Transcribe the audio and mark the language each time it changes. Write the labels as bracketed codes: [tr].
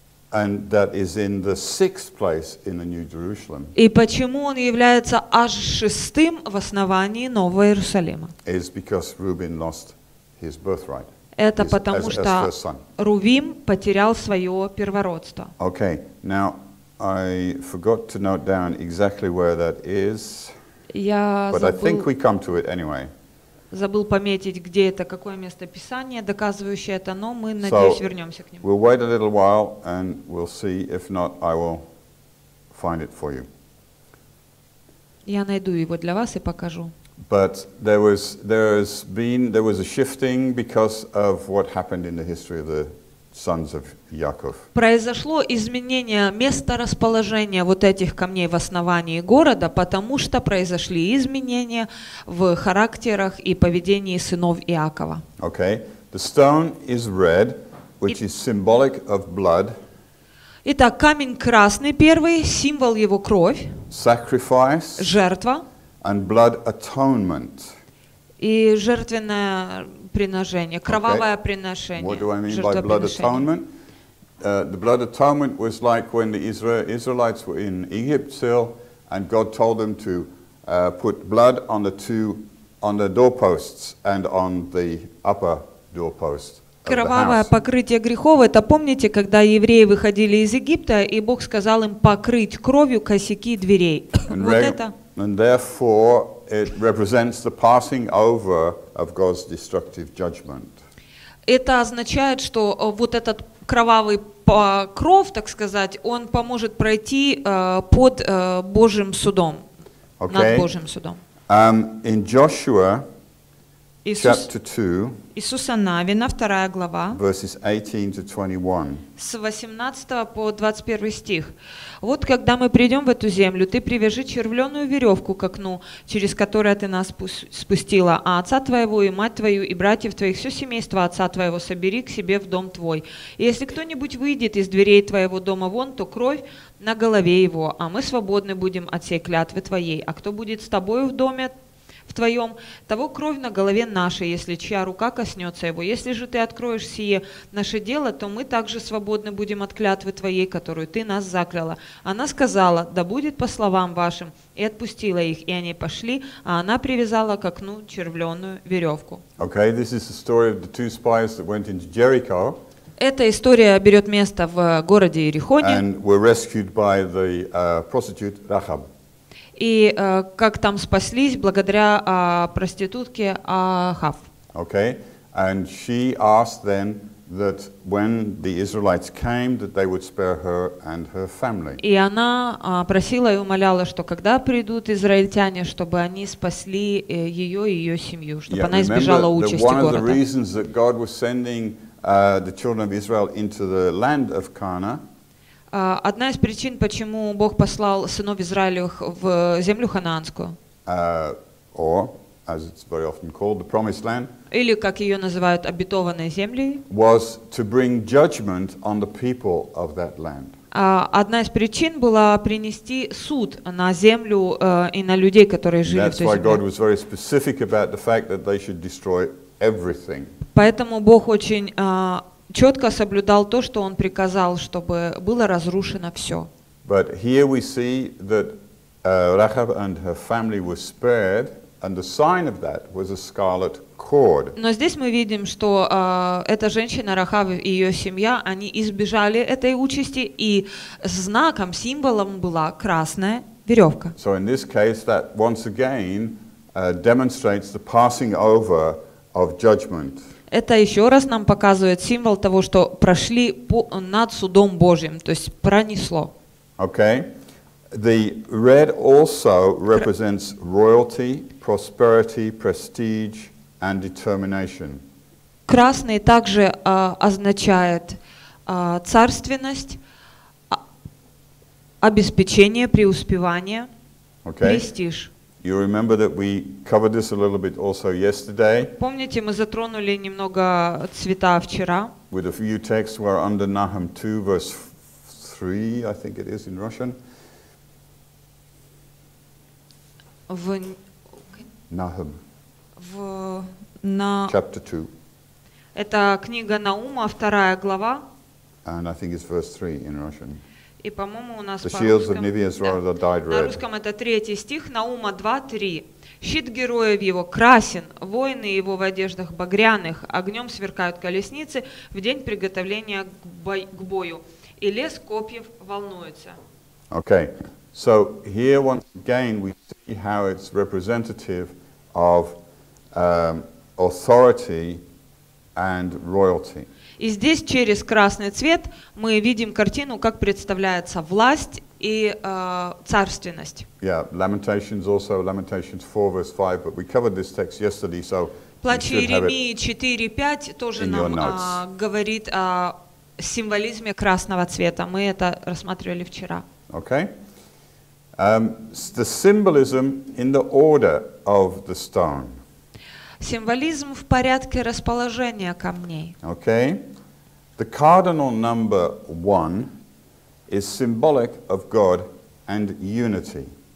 [en] And that is in the sixth place in the New Jerusalem. [ru] И почему он является аж шестым в основании Нового Иерусалима? [en] Is because Reuben lost his birthright. [ru] Это потому что Рувим потерял свое первородство. [en] Okay, now I forgot to note down exactly where that is. [ru] Я [en] but [ru] забыл, [en] I think we come to it anyway. [ru] Забыл пометить, где это, какое место Писания, доказывающее это, но мы, надеюсь, [en] so [ru] вернемся к нему. [en] We'll wait a little while and we'll see. If not, I will find it for you. [ru] Я найду его для вас и покажу. [en] But there was a shifting because of what happened in the history of the sons of Yaakov. [ru] Произошло изменение места расположения вот этих камней в основании города, потому что произошли изменения в характерах и поведении сынов Иакова. [en] Okay. The stone is red, which is symbolic of blood. [ru] Итак, камень красный первый, символ его кровь. [en] Sacrifice. [ru] Жертва. [en] And blood atonement. [ru] И жертвенное приношение, кровавое okay. приношение. [en] What do I mean by blood atonement? The blood atonement was like when the Israelites were in Egypt still, and God told them to put blood on the two on the doorposts and on the upper doorpost. [ru] Кровавое покрытие грехов. Это помните, когда евреи выходили из Египта, и Бог сказал им покрыть кровью косяки дверей. [en] And therefore, it represents the passing over of God's destructive judgment. [ru] Это означает, что вот этот кровавый покров, так сказать, он поможет пройти под Божьим судом, [en] okay. [ru] над Божьим судом. [en] In Joshua, chapter 2, [ru] Иисуса Навина, 2 глава, [en] verses 18-21. [ru] С 18 по 21 стих. Вот когда мы придем в эту землю, ты привяжи червленую веревку к окну, через которое ты нас спустила, а отца твоего и мать твою и братьев твоих, все семейство отца твоего собери к себе в дом твой. И если кто-нибудь выйдет из дверей твоего дома вон, то кровь на голове его, а мы свободны будем от всей клятвы твоей. А кто будет с тобою в доме в твоем, того кровь на голове нашей, если чья рука коснется его. Если же ты откроешь сие наше дело, то мы также свободны будем от клятвы твоей, которую ты нас закляла. Она сказала, да будет по словам вашим, и отпустила их, и они пошли, а она привязала к окну червленую веревку. [en] Okay, this is the story of the two spies that went into Jericho. [ru] Эта история берет место в городе Иерихоне. [en] And were rescued by the prostitute Rahab. [ru] И как там спаслись благодаря проститутке Ахав. [en] Okay. And she asked then that when the Israelites came that they would spare her and her family. [ru] И она просила и умоляла, что когда придут израильтяне, чтобы они спасли ее и ее семью, чтобы она избежала участи города. [en] One of the reasons that God was sending the children of Israel into the land of Canaan. [ru] Одна из причин, почему Бог послал сынов Израилевых в землю Ханаанскую. [en] Or, as it's very often called, the promised land. [ru] Или, как ее называют, обетованной землей. [en] Was to bring judgment on the people of that land. [ru] Одна из причин была принести суд на землю и на людей, которые жили в той земле. [en] That's why God was very specific about the fact that they should destroy everything. [ru] Поэтому Бог очень четко соблюдал то, что он приказал, чтобы было разрушено все. [en] But here we see that Rahab and her family were spared, and the sign of that was a scarlet cord. [ru] Но здесь мы видим, что эта женщина Рахав и ее семья, они избежали этой участи, и знаком, символом была красная веревка. [en] So in this case, that once again demonstrates the passing over of judgment. [ru] Это еще раз нам показывает символ того, что прошли над судом Божьим, то есть пронесло. [en] Okay. The red also represents royalty, prosperity, prestige, and determination. [ru] Красный также означает царственность, обеспечение, преуспевание, [en] okay. [ru] Престиж. [en] You remember that we covered this a little bit also yesterday. [ru] Помните, мы затронули немного цвета вчера. [en] With a few texts were under Nahum 2 verse 3, I think it is in Russian. [ru] В Нахум. В на [en] Chapter 2. [ru] Это книга Наума, вторая глава. [en] And I think it's verse 3 in Russian. [ru] И, по-моему, у нас [en] the of Nivea's да, died red. [ru] На русском это третий стих, Наума 2:3. Щит героев его красен, воины его в одеждах багряных, огнем сверкают колесницы в день приготовления к бою, и лес копьев волнуется. [en] Okay, so here once again we see how it's representative of authority and royalty. [ru] И здесь через красный цвет мы видим картину, как представляется власть и царственность. [en] Yeah, Lamentations also, Lamentations 4, verse 5, but we covered this text yesterday, so [ru] Плач Иеремии 4:5 тоже нам говорит о символизме красного цвета. Мы это рассматривали вчера. [en] Okay. The symbolism in the order of the stone. [ru] Символизм в порядке расположения камней. [en] Okay. The cardinal number one is symbolic of God and unity.